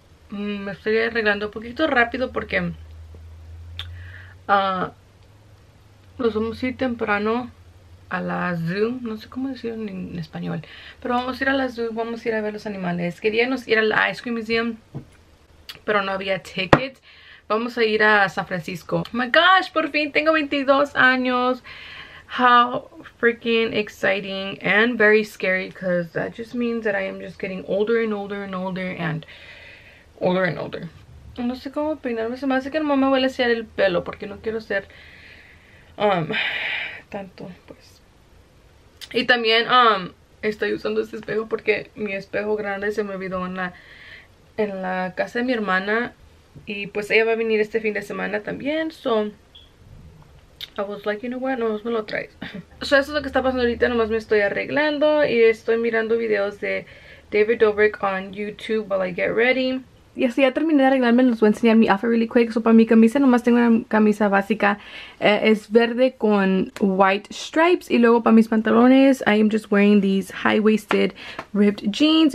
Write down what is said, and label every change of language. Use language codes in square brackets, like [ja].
[es] Me estoy arreglando un poquito rápido porque nos vamos a ir temprano a la zoo. No sé cómo decirlo en español, pero vamos a ir a la zoo, vamos a ir a ver los animales. Queríamos ir al Ice Cream Museum, pero no había ticket. Vamos a ir a San Francisco. [en] Oh my gosh, [es] por fin tengo 22 años. [en] How freaking exciting and very scary, because that just means that I am just getting older and older and older and older and older. [es] No sé cómo peinarme, se me hace que no me voy a hacer el pelo porque no quiero ser tanto, pues. Y también estoy usando este espejo porque mi espejo grande se me olvidó en la casa de mi hermana, y pues ella va a venir este fin de semana también. [en] I was like, you know what, [es] nomás me lo traes. Eso es lo que está pasando ahorita. Nomás me estoy arreglando y estoy mirando videos de David Dobrik [en] on YouTube while I get ready. [es] Y así ya terminé de arreglarme, les voy a enseñar mi outfit [en] really quick. [es] Para mi camisa nomás tengo una camisa básica, es verde con [en] white stripes. [es] Y luego para mis pantalones, [en] I am just wearing these high-waisted ripped jeans.